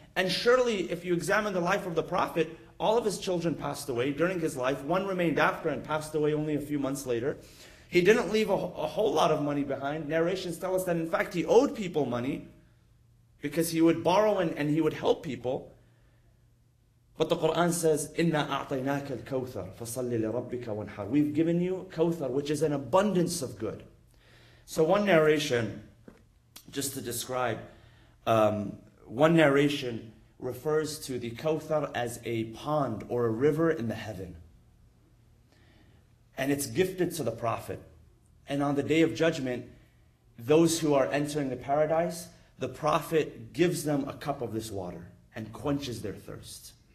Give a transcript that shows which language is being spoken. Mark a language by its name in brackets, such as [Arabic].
[English] And surely, if you examine the life of the Prophet, all of his children passed away during his life. One remained after and passed away only a few months later. He didn't leave a whole lot of money behind. Narrations tell us that, in fact, he owed people money because he would borrow and he would help people. But the Quran says, [Arabic] إِنَّا أَعْطَيْنَاكَ الْكَوْثَرَ فَصَلِّ لِرَبِّكَ وَانْحَرْ. [English] We've given you kawthar, which is an abundance of good. So one narration, just to describe, one narration refers to the kawthar as a pond or a river in the heaven. And it's gifted to the Prophet. And on the Day of Judgment, those who are entering the paradise, the Prophet gives them a cup of this water and quenches their thirst.